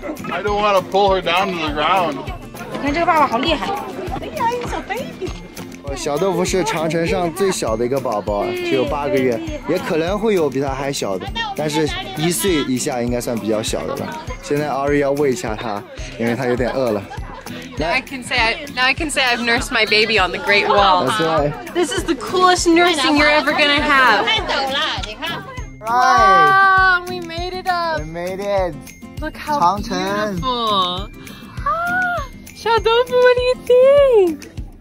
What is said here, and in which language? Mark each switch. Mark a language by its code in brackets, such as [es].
[en] I don't want to pull her down to the ground. [zh] 你看这个爸爸好厉害。小豆腐是长城上最小的一个宝宝，只有八个月，也可能会有比他还小的，但是一岁以下应该算比较小的了。现在 Ari 要喂一下他，因为他有点饿了。 [en] Now I can say I've nursed my baby on the Great Wall. That's right. This is the coolest nursing you're ever gonna have. Right. We made it up. We made it. Look how 长城 beautiful. Ah, 小豆腐 what do you think?